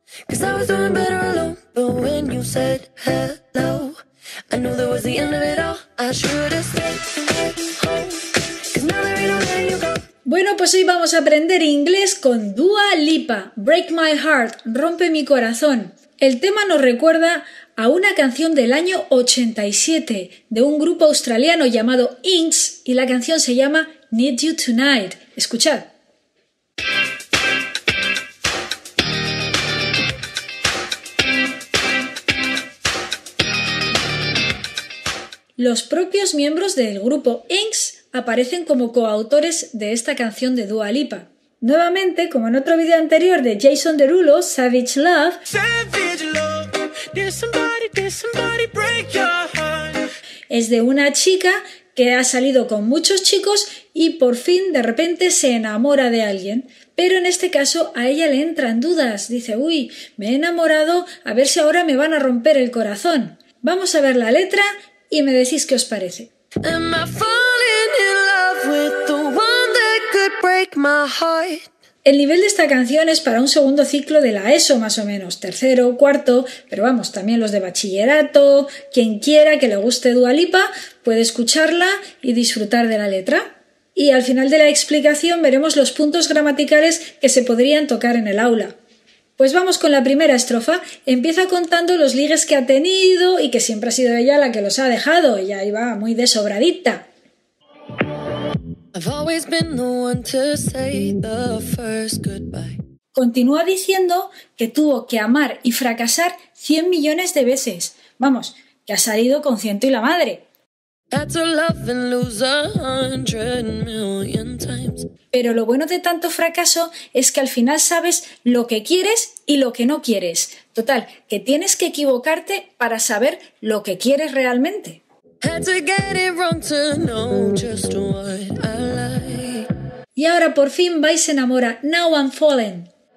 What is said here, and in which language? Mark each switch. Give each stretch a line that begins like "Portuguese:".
English: Cause I was doing better alone. But when you said hello, I knew there was the end of it all. I should've stayed at home. Cause now there ain't no way you go.
Spanish: Bueno, pues hoy vamos a aprender inglés con Dua Lipa. Break my heart, rompe mi corazón. El tema nos recuerda a una canción del año 87 de un grupo australiano llamado Inks y la canción se llama Need You Tonight. Escuchad. Los propios miembros del grupo Inks aparecen como coautores de esta canción de Dua Lipa. Nuevamente, como en otro video anterior de Jason Derulo, Savage Love, Savage Love.
English: Did somebody break your heart?
Spanish: Es de una chica que ha salido con muchos chicos y por fin, de repente, se enamora de alguien. Pero en este caso, a ella le entran dudas. Dice, uy, me he enamorado, a ver si ahora me van a romper el corazón. Vamos a ver la letra y me decís qué os parece.
English: Am I falling in love with the one that could break my heart?
Spanish: El nivel de esta canción es para un segundo ciclo de la ESO, más o menos, tercero, cuarto, pero vamos, también los de bachillerato, quien quiera que le guste Dua Lipa puede escucharla y disfrutar de la letra. Y al final de la explicación veremos los puntos gramaticales que se podrían tocar en el aula. Pues vamos con la primera estrofa. Empieza contando los ligues que ha tenido y que siempre ha sido ella la que los ha dejado. Ya iba muy de sobradita.
English: I've always been the one to say the first goodbye.
Spanish: Continúa diciendo que tuvo que amar y fracasar 100 millones de veces. Vamos, que ha salido con ciento y la madre.
English: Had to love and lose 100 million times.
Spanish: Pero lo bueno de tanto fracaso es que al final sabes lo que quieres y lo que no quieres. Total, que tienes que equivocarte para saber lo que quieres realmente.
English: Had to get it wrong to know just what I like.
Spanish: Y ahora por fin va y se enamora.
English: Now I'm falling.